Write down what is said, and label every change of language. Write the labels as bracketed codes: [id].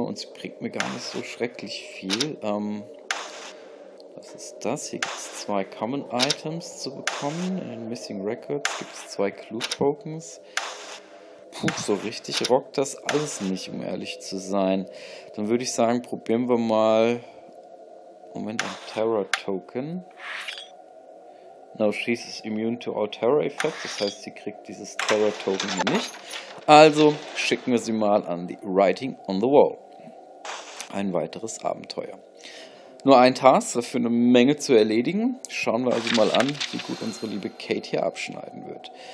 [de] Und sie bringt mir gar nicht so schrecklich viel. Was ist das? Hier gibt es 2 Common Items zu bekommen. In den Missing Records gibt es 2 Clue Tokens. Puh, so richtig rockt das alles nicht, um ehrlich zu sein. Dann würde ich sagen, probieren wir mal. Moment, ein Terror Token. [en] No, she's immune to all Terror Effects. [de] Das heißt, sie kriegt dieses Terror Token hier nicht. Also schicken wir sie mal an die Writing on the Wall. Ein weiteres Abenteuer. Nur ein Task, dafür eine Menge zu erledigen. Schauen wir also mal an, wie gut unsere liebe Kate hier abschneiden wird.